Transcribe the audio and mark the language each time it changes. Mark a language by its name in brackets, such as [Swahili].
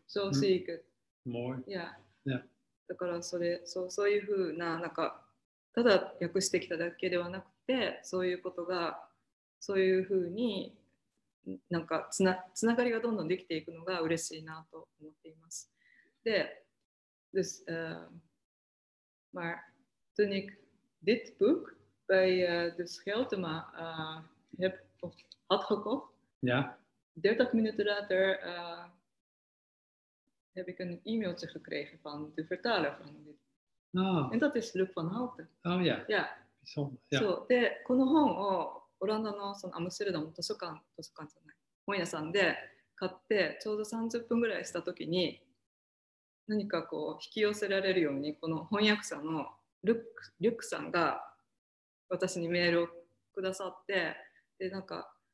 [Dutch] Zo zie ik het. Mooi. Ja. Ja. [Japanese] だからそれ、そう、そういうふうな、なんか、ただ訳してきただけではなくて、そういうことが、そういうふうに、なんかつながりがどんどんできていくのが嬉しいなと思っています。 [Dutch] で、dus, maar toen ik dit boek bij de Scheltema heb of had gekocht, ja. 30 minuten later heb ik een e-mailtje gekregen van de vertaler van dit. Oh. En dat is Luc van Houten. Oh ja. Ja. Bijzonder. Zo. [Japanese] De, この本をオランダのそのアムステルダム図書館図書館じゃない本屋さんで買ってちょうど30分ぐらいした時に何かこう引き寄せられるようにこの翻訳者のルックさんが私にメールをくださってでなんか。